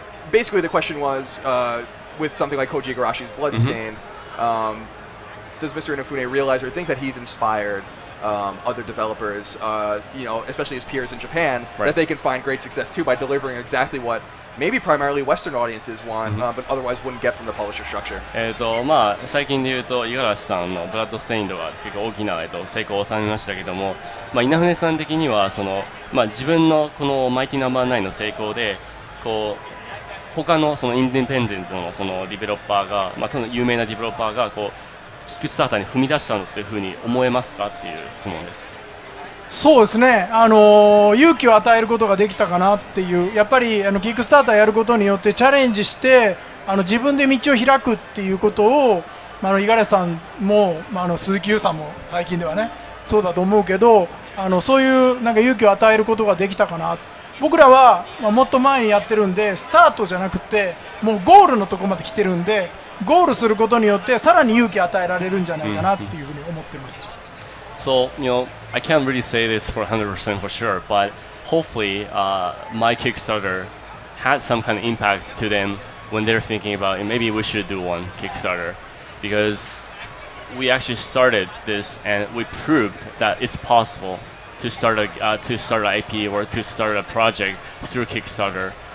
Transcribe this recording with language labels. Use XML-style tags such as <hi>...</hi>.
<en>Basically, the question was, with something like Koji Igarashi's Bloodstained, mm-hmm. Does Mr. Inafune realize or think that he's inspired other developers, you know, especially his peers in Japan, right. that they can find great success too by delivering exactly what maybe primarily Western audiences want, mm-hmm. But otherwise wouldn't get from the publisher structure?</en> <ja>まあ、最近で言うと、五十嵐さんのブラッドステインドは結構大きな成功を収めましたけども、まあ、稲船さん的にはその、まあ、自分のこのマイティナンバー9の成功で、こう他のそのインディペンデントのそのディベロッパーが、まあ、との有名なディベロッパーが、こうキックスターターに踏み出したのっていうふうに思えますかっていう質問です。そうですね、勇気を与えることができたかなっていう。やっぱりあのキックスターターやることによってチャレンジしてあの自分で道を開くっていうことを、まあ、五十嵐さんも、まあ、あの鈴木優さんも最近ではねそうだと思うけど、あのそういうなんか勇気を与えることができたかな。僕らは、まあ、もっと前にやってるんでスタートじゃなくてもうゴールのとこまで来てるんで、ゴールすることによってさらに勇気与えられるんじゃないかなっていうふうに思ってます。</ja> <en>So, you know, I can't really say this for 100% for sure, but hopefully, my Kickstarter had some kind of impact to them when they're thinking about it. Maybe we should do one Kickstarter, because we actually started this and we proved that it's possible to start an IP or to start a project through Kickstarter.</en>